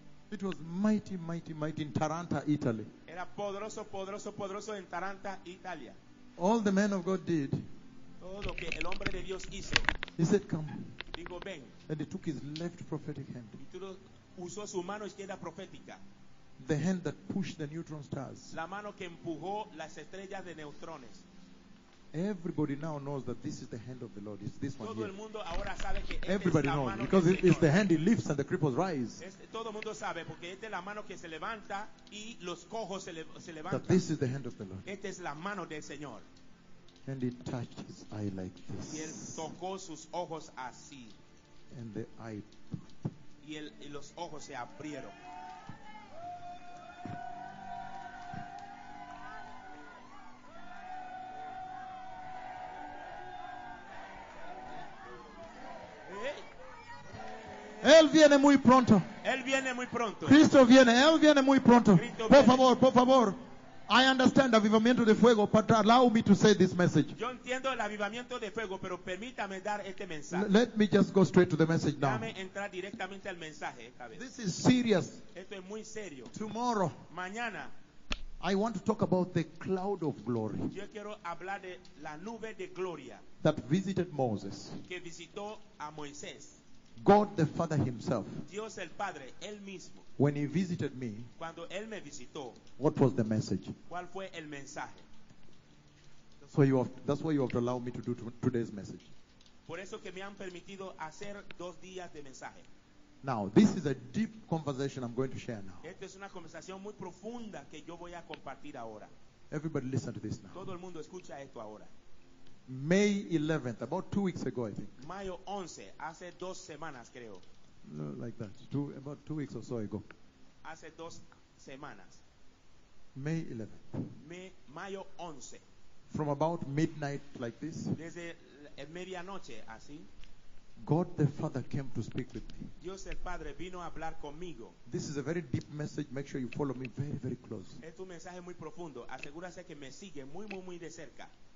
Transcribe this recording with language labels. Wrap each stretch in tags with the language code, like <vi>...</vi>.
<en>It was mighty, mighty, mighty in Taranta, Italy.</en> <es>Era poderoso, poderoso, poderoso en Taranta, Italia.</es> <en>All the man of God did.</en> <es>Todo que el hombre de Dios hizo.</es> <en>He said, come.</en> <es>Digo, ven.</es> <en>And he took his left prophetic hand.</en> <es>Y todo, usó su mano izquierda profética.</es> <en>The hand that pushed the neutron stars.</en> <es>La mano que empujó las estrellas de neutrones.</es> <en>Everybody now knows that this is the hand of the Lord. It's this</en> <es>todo</es> <en>one here.</en> <es>El mundo ahora sabe que este</es> <en>everybody</en> <es>es la</es> <en>knows</en> <es>mano</es> <en>because it's</en> <es>Señor.</es> <en>The hand he lifts and the cripples rise.</en> <es>Todo el mundo sabe porque esta es la mano que se levanta y los cojos se levantan.</es> <en>That this is the hand of the Lord.</en> <es>Esta es la mano del Señor.</es> <en>And he touched his eye like this.</en> <es>Y él tocó sus ojos así.</es> <en>And the eye.</en> <es>Y, el, y los ojos se abrieron. Él viene muy pronto. Él viene muy pronto. Cristo viene. Él viene muy pronto. Viene. Por favor,</es> <en>I understand</en> <es>avivamiento de fuego,</es> <en>but allow me to say this message.</en> <es>Yo entiendo el avivamiento de fuego, pero permítame dar este mensaje.</es> <en>Let me just go straight to the message now.</en> <es>Dame entrar directamente al mensaje esta vez.</es> <en>This is serious.</en> <es>Esto es muy serio.</es> <en>Tomorrow.</en> <es>Mañana.</es> <en>I want to talk about the cloud of glory.</en> <es>Yo quiero hablar de la nube de gloria.</es> <en>That visited Moses.</en> <es>Que visitó a Moisés.</es> <en>God the Father himself.</en> <es>Dios el Padre, él mismo.</es> <en>When he visited me.</en> <es>Cuando él me visitó.</es> <en>What was the message?</en> <es>¿Cuál fue el mensaje?</es> <en>That's why you have to allow me to do today's message.</en> <es>Por eso que me han permitido hacer dos días de mensaje.</es> <en>Now, this is a deep conversation I'm going to share now.</en> <es>Esta es una conversación muy profunda que yo voy a compartir ahora.</es> <en>Everybody listen to this now.</en> <es>Todo el mundo escucha esto ahora.</es> <en>May 11th, about 2 weeks ago, I think.</en> <es>Mayo 11, hace dos semanas, creo.</es> <en>No, like that, about 2 weeks or so ago.</en> <es>Hace dos semanas.</es> <en>May 11th.</en> <es>Mayo 11.</es> <en>From about midnight, like this.</en> <es>Desde medianoche, así.</es> <en>God the Father came to speak with me.</en> <es>Dios el Padre vino a hablar conmigo.</es> <en>This is a very deep message. Make sure you follow me very, very close.</en> <es>Es un mensaje muy profundo. Asegúrese que me sigue muy, muy, muy de cerca.</es>